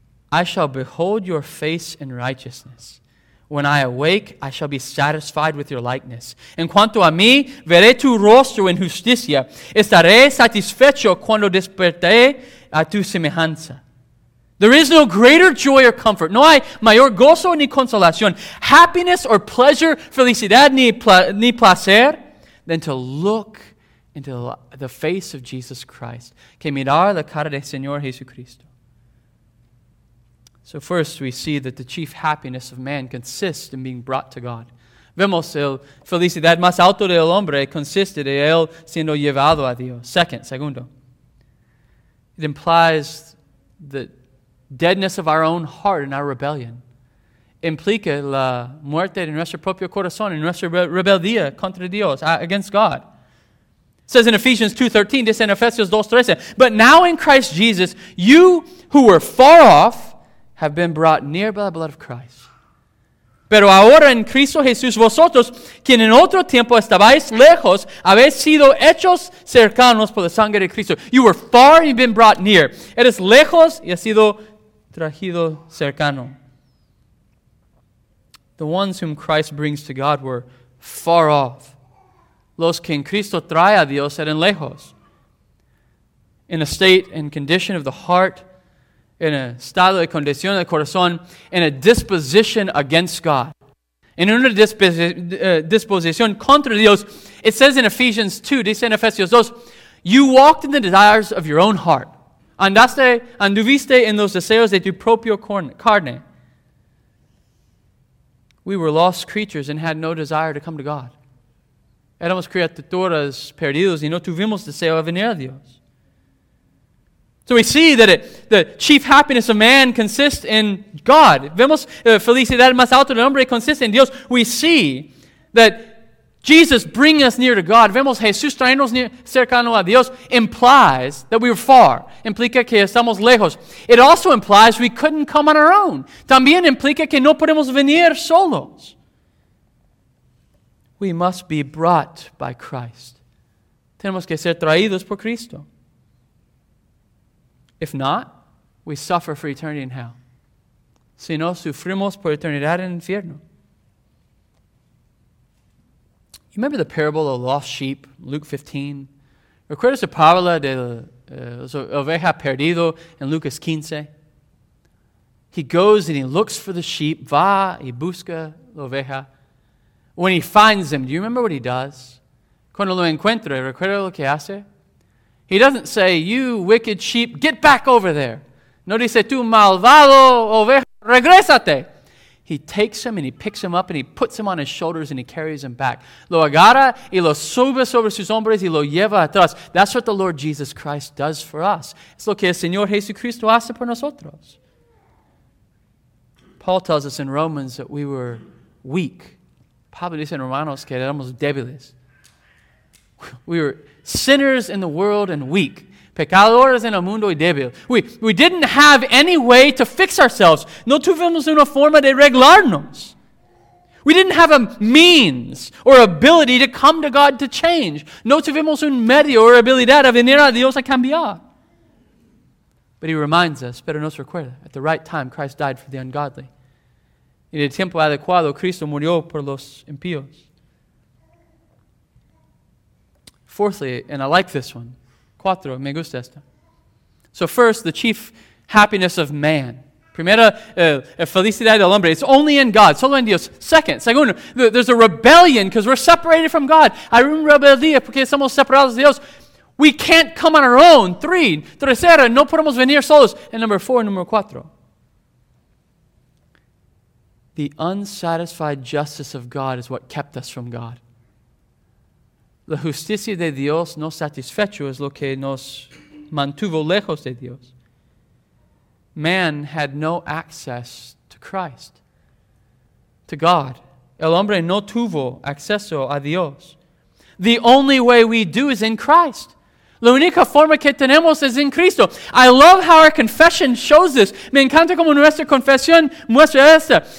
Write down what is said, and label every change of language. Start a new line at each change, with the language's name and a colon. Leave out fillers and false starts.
English: I shall behold your face in righteousness. When I awake, I shall be satisfied with your likeness.
Spanish: En cuanto a mí, veré tu rostro en justicia. Estaré satisfecho cuando desperté a tu semejanza.
English: There is no greater joy or comfort.
Spanish: No hay mayor gozo ni consolación.
English: Happiness or pleasure,
Spanish: felicidad ni placer,
English: than to look into the face of Jesus Christ.
Spanish: Que mirar la cara del Señor Jesucristo.
English: So first, we see that the chief happiness of man consists in being brought to God.
Spanish: Vemos el felicidad más alto del hombre consiste de él siendo llevado a Dios.
English: Segundo, it implies the deadness of our own heart and our rebellion.
Spanish: Implica la muerte de nuestro propio corazón, en nuestra rebeldía contra Dios,
English: against God. It says in Ephesians 2:13,
Spanish: dice en Efesios 2:13,
English: but now in Christ Jesus, you who were far off, have been brought near by the blood of Christ.
Spanish: Pero ahora en Cristo Jesús, vosotros, quien en otro tiempo estabais lejos, habéis sido hechos cercanos por la sangre de Cristo.
English: You were far, you've been brought near.
Spanish: Eres lejos y has sido traído cercano.
English: The ones whom Christ brings to God were far off.
Spanish: Los que en Cristo trae a Dios eran lejos.
English: In a state and condition of the heart,
Spanish: en un estado de condición del corazón, en
English: a disposition against God.
Spanish: En una disposición contra Dios.
English: It says in Ephesians 2,
Spanish: dice en Efesios 2,
English: you walked in the desires of your own heart.
Spanish: Andaste, anduviste en los deseos de tu propio carne.
English: We were lost creatures and had no desire to come to God.
Spanish: Éramos criaturas perdidos y no tuvimos deseo de venir a Dios.
English: So we see that the chief happiness of man consists in God.
Spanish: Vemos felicidad más alto del hombre consiste en Dios.
English: We see that Jesus bringing us near to God,
Spanish: vemos Jesús traernos cercano a Dios,
English: implies that we were far.
Spanish: Implica que estamos lejos.
English: It also implies we couldn't come on our own.
Spanish: También implica que no podemos venir solos.
English: We must be brought by Christ.
Spanish: Tenemos que ser traídos por Cristo.
English: If not, we suffer for eternity in hell.
Spanish: Si no, sufrimos por eternidad en infierno.
English: You remember the parable of the lost sheep, Luke 15?
Spanish: ¿Recuerdas la parábola de la oveja perdida en Lucas 15?
English: He goes and he looks for the sheep,
Spanish: va y busca la oveja.
English: When he finds him, do you remember what he does?
Spanish: Cuando lo encuentra, ¿recuerdas lo que hace?
English: He doesn't say, you wicked sheep, get back over there.
Spanish: No dice, tú malvado oveja, regrésate.
English: He takes him and he picks him up and he puts him on his shoulders and he carries him back.
Spanish: Lo agarra y lo sube sobre sus hombros y lo lleva atrás.
English: That's what the Lord Jesus Christ does for us.
Spanish: Es lo que el Señor Jesucristo hace por nosotros.
English: Paul tells us in Romans that we were weak.
Spanish: Pablo dice en Romanos que éramos débiles.
English: We were sinners in the world and weak.
Spanish: Pecadores en el mundo y débil.
English: We didn't have any way to fix ourselves.
Spanish: No tuvimos una forma de arreglarnos.
English: We didn't have a means or ability to come to God to change.
Spanish: No tuvimos un medio or habilidad de venir a Dios a cambiar.
English: But he reminds us,
Spanish: pero nos recuerda,
English: at the right time, Christ died for the ungodly.
Spanish: En el tiempo adecuado, Cristo murió por los impíos.
English: Fourthly, and I like this one.
Spanish: Cuatro, me gusta esta.
English: So first, the chief happiness of man.
Spanish: Primera, felicidad del hombre.
English: It's only in God,
Spanish: solo en Dios.
English: Segundo, there's a rebellion because we're separated from God.
Spanish: Hay una rebeldía porque somos separados de Dios.
English: We can't come on our own. Three, tercera,
Spanish: no podemos venir solos.
English: And number four, number cuatro. The unsatisfied justice of God is what kept us from God.
Spanish: La justicia de Dios no satisfecho es lo que nos mantuvo lejos de Dios.
English: Man had no access to Christ, to God.
Spanish: El hombre no tuvo acceso a Dios.
English: The only way we do is in Christ.
Spanish: La única forma que tenemos es en Cristo.
English: I love how our confession shows this.
Spanish: Me encanta como nuestra confesión muestra esta.